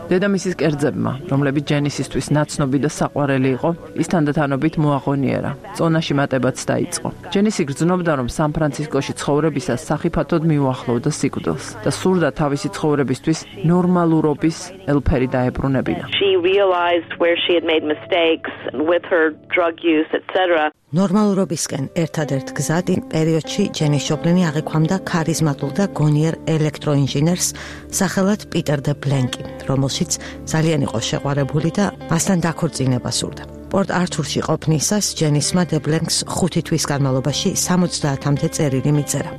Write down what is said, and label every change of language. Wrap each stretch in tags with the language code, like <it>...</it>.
<ka>დედამისის კერძებმა, რომლებიც ჯენისისთვის ნაცნობი და საყვარელი იყო, ის თანდათანობით მოაღონიერა. წონაში მატებაც დაიწყო. ჯენისი გრძნობდა, რომ სან-ფრანცისკოში ცხოვრებისას სახიფათოდ მიუახლოვდა სიკვდილს და სურდა თავისი ცხოვრებისთვის ნორმალურობის ელფერი დაებრუნებინა.</ka> <en>Realized where she had made mistakes with her drug use etc.</en> <ka>ნორმალურობისკენ ერთადერთ გზად იმ პერიოდში ჯენის ჯოპლინი აღიქვამდა ქარიზმატულ და გონიერ ელექტროინჟინერს სახელად პიტერ დე ბლენკი, რომელშიც ძალიან იყო შეყვარებული და მასთან დაქორწინება სურდა. პორტ ართურში ყოფნისას ჯენისმა დე ბლენკს 5 თვის განმავლობაში 70-მდე წერილი მიწერა.</ka>